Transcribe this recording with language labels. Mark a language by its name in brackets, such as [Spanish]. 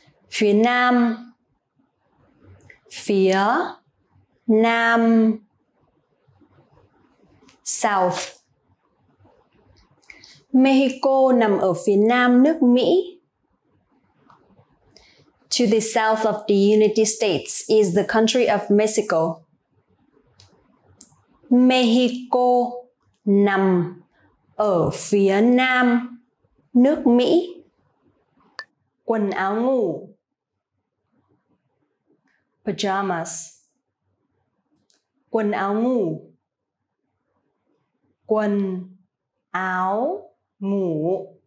[Vietnamese] Phía Nam. Phía Nam. [English] South. [Vietnamese] Mexico nằm ở phía Nam nước Mỹ. [English] To the south of the United States is the country of Mexico. [Vietnamese] Mexico nằm ở phía Nam nước Mỹ. Quần áo ngủ. [English] Pajamas. [Vietnamese] Quần áo ngủ. Quần áo ngủ.